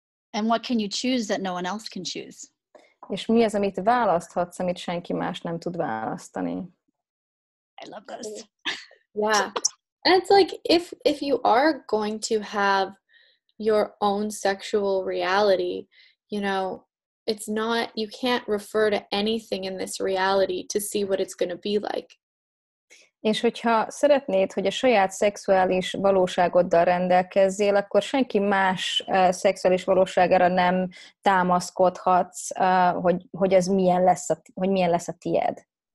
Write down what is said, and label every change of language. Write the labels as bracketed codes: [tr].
[en] And what can you choose that no one else can choose? [hu] És mi az, amit választhatsz, amit senki más nem tud választani? [en] I love this. Yeah. And it's like, if you are going to have your own sexual reality, you know, it's not, you can't refer to anything in this reality to see what it's going to be like. [hu] És hogyha szeretnéd, hogy a saját szexuális valóságoddal rendelkezzél, akkor senki más szexuális valóságára nem támaszkodhatsz, hogy ez milyen lesz, hogy milyen lesz a tied.